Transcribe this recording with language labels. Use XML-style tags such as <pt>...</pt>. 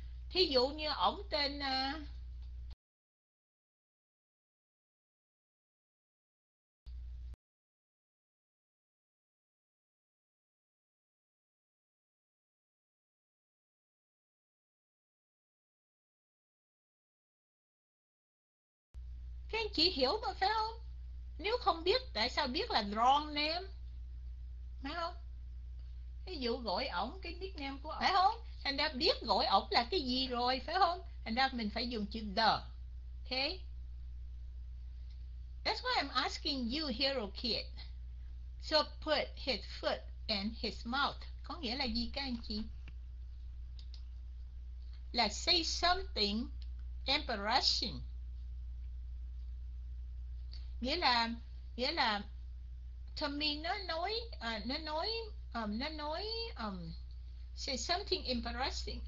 <vi>Thí dụ như ổng tên các anh chị hiểu mà, phải không? Nếu không biết tại sao biết là wrong name, phải không? Ví dụ gọi ổng cái nickname của ổng, phải không? Thành ra biết gọi ổng là cái gì rồi, phải không? Thành ra mình phải dùng chữ the.</vi> <en>Okay, that's why I'm asking you hero kid. So put his foot in his mouth</en> <vi>có nghĩa là gì các anh chị?</vi> <en>Là say something embarrassing.</en> <vi>Nghĩa là Tommy nó nói</vi> <en>say something embarrassing.</en>